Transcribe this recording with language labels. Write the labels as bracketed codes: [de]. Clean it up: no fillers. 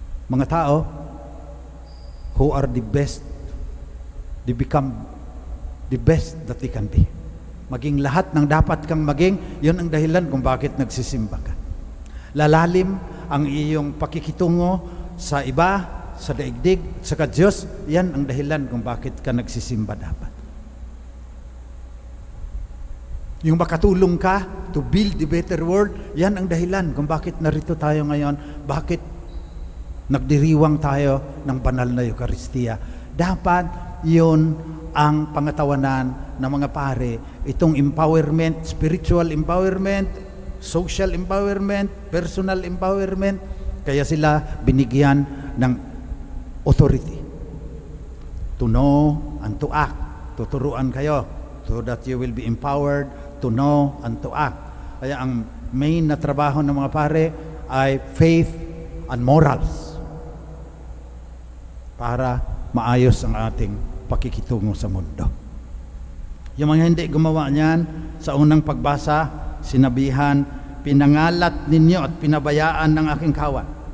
[tl] Mga tao [en] who are the best, they become the best that they can be. [tl] Maging lahat ng dapat kang maging, yun ang dahilan kung bakit nagsisimba ka. Lalalim ang iyong pakikitungo sa iba, sa daigdig, sa ka-Diyos, yan ang dahilan kung bakit ka nagsisimba dapat. Yung makatulong ka [en] to build a better world, [tl] yan ang dahilan kung bakit narito tayo ngayon, bakit nagdiriwang tayo ng banal na Eucharistia. Dapat yun ang pangatawanan ng mga pare. Itong empowerment, spiritual empowerment, social empowerment, personal empowerment, kaya sila binigyan ng authority. [en] To know and to act. [tl] Tuturuan kayo [en] so that you will be empowered to know and to act. [tl] Kaya ang main na trabaho ng mga pare ay [en] faith and morals [tl] para maayos ang ating pakikitungo sa mundo. Yung mga hindi gumawa niyan, sa unang pagbasa, sinabihan, pinangalat ninyo at pinabayaan ng aking kawan.